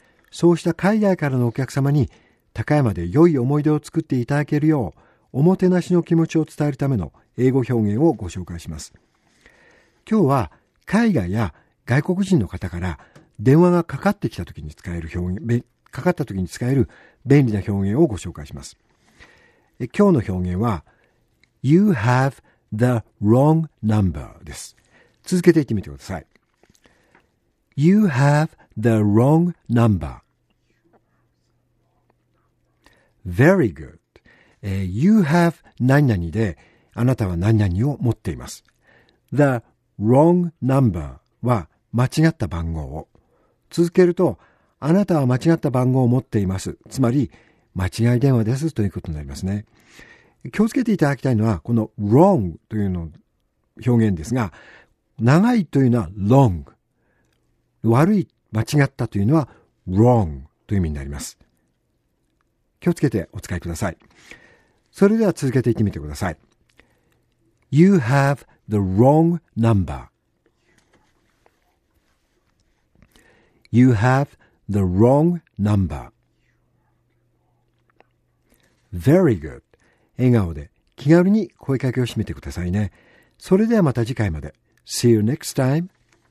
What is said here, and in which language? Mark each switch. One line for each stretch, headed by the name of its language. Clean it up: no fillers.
Japanese: そうした海外からのお客様に高山で良い思い出を作っていただけるよう、おもてなしの気持ちを伝えるための英語表現をご紹介します。今日は海外や外国人の方から電話がかかってきた時に使える表現、かかった時に使える便利な表現をご紹介します。今日の表現は
English: You have the wrong number
Japanese: です。続けて言ってみてください。
English: You have the wrong number. Very good. You have
Japanese: 何々であなたは何々を持っています。 The wrong number は間違った番号を。続けるとあなたは間違った番号を持っています。つまり、間違い電話ですということになりますね。気をつけていただきたいのは、この wrong というの表現ですが、長いというのは long。悪い、間違ったというのは wrong という意味になります。気をつけてお使いください。それでは続けていってみてください。
English: You have the wrong number. You have the wrong number. Very good.
Japanese: 笑顔で気軽に声かけをしてみてくださいね。それではまた次回まで。
English: See you next time.